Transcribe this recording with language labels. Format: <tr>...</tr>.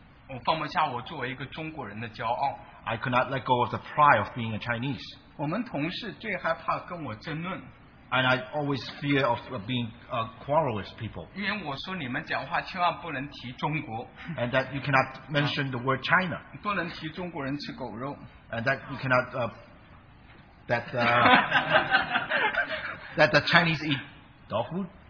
<zh>我放不下我作为一个中国人的骄傲。</zh> <en>I could not let go of the pride of being a Chinese.</en> <zh>我们同事最害怕跟我争论。</zh> <en>And I always fear of being quarrelous people.</en> <zh>因为我说你们讲话千万不能提中国。</zh> <en>And that you cannot mention the word China.</en> <zh>不能提中国人吃狗肉。</zh> <en>And that you cannot that the Chinese eat dog food.</en>